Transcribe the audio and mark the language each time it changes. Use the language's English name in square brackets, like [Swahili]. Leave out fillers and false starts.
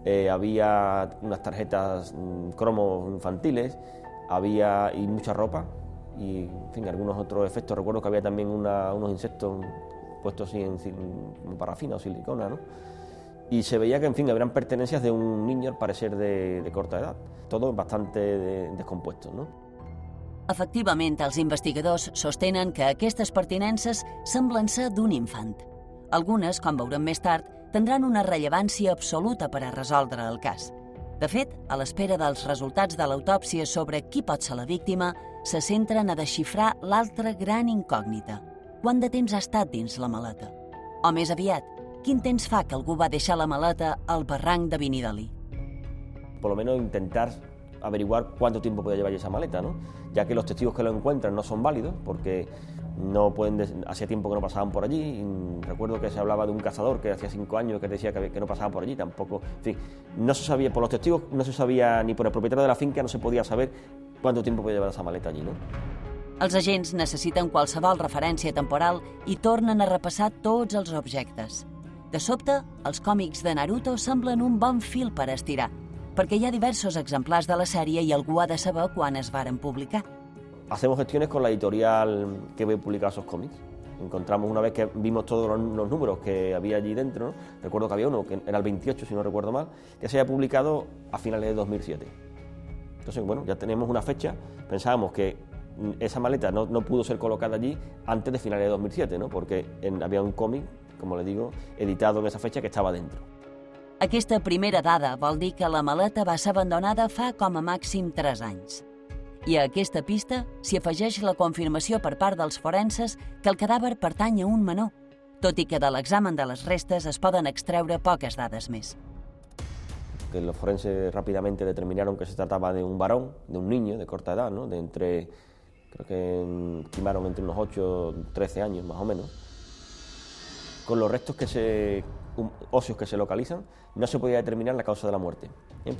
[Spanish] Había unas tarjetas cromos infantiles, había y mucha ropa y, en fin, algunos otros efectos. Recuerdo que había también unos insectos puestos así en parafina o silicona, ¿no? Y se veía que, en fin, eran pertenencias de un niño, al parecer, de corta edad. Todo bastante descompuesto, ¿no? [Catalan] Efectivament, els investigadors sostenen que aquestes pertinences semblen ser d'un infant. Algunes, com veurem més tard, tindran una rellevància absoluta per a resoldre el cas. De fet, a l'espera dels resultats de l'autòpsia sobre qui pot ser la víctima, se centren a desxifrar l'altra gran incògnita. Quant de temps ha estat dins la maleta? O més aviat, quin temps fa que algú va deixar la maleta al barranc de Benidalí? [Spanish] Por lo menos intentar averiguar cuánto tiempo podía llevar esa maleta, ¿no? Ya que los testigos que lo encuentran no son válidos, porque no pueden hacía tiempo que no pasaban por allí. Y recuerdo que se hablaba de un cazador que hacía 5 años que decía que no pasaba por allí, tampoco. En fin, no se sabía por los testigos, no se sabía ni por el propietario de la finca, no se podía saber cuánto tiempo podía llevar esa maleta allí, ¿no? [Catalan] Els agents necessiten qualsevol referència temporal i tornen a repassar tots els objectes. De sobte, els còmics de Naruto semblen un bon fil per estirar, perquè hi ha diversos exemplars de la sèrie i algú ha de saber quan es varen publicar. [Spanish] Hacemos gestiones con la editorial que ve a publicar esos cómics. Encontramos una vez que vimos todos los números que había allí dentro, ¿no? Recuerdo que había uno, que era el 28, si no recuerdo mal, que se había publicado a finales de 2007. Entonces, bueno, ya tenemos una fecha. Pensábamos que esa maleta no pudo ser colocada allí antes de finales de 2007, ¿no? Porque había un cómic, como le digo, editado en esa fecha que estaba dentro. [Catalan] Aquesta primera dada vol dir que la maleta va ser abandonada fa com a màxim 3 anys. I a aquesta pista s'hi afegeix la confirmació per part dels forenses que el cadàver pertany a un menor, tot i que de l'examen de les restes es poden extreure poques dades més. [Spanish] Que los forenses rápidamente determinaron que se trataba de un varón, de un niño de corta edad, ¿no? De entre, creo que estimaron entre unos 8 o 13 años, más o menos. Con los restos que se... óseos que se localizan, no se podía determinar la causa de la muerte, ¿eh?